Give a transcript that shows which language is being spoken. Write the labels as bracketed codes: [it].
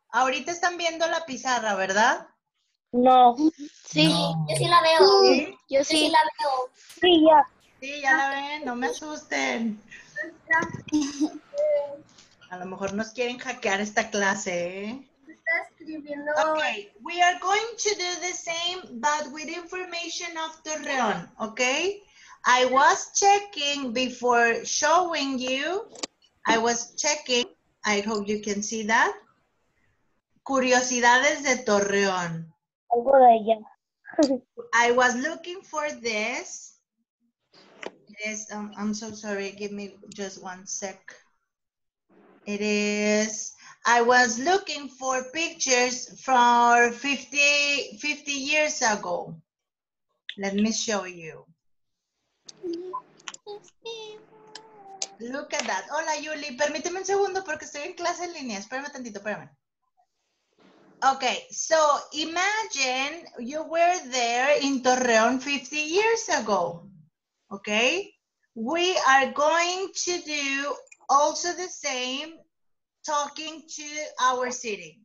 [es] Ahorita están viendo la pizarra, ¿verdad? No. Sí, no. Yo sí la veo. ¿Sí? Yo sí. Sí la veo. Sí, ya. Sí, ya la ven, no me asusten. A lo mejor nos quieren hackear esta clase, ¿eh? [en] Okay, we are going to do the same, but with information of Torreón, okay? I was checking before showing you, I was checking, I hope you can see that, [es] curiosidades de Torreón. Algo de ella. [en] I was looking for this. It is, I'm so sorry, give me just one sec. It is... I was looking for pictures from 50 years ago. Let me show you. Look at that. [es] Hola, [en] Yuli. [es] Permíteme un segundo porque estoy en clase en línea. Espérame tantito, espérame. [en] Okay, so imagine you were there in Torreón 50 years ago. Okay? We are going to do also the same talking to our city.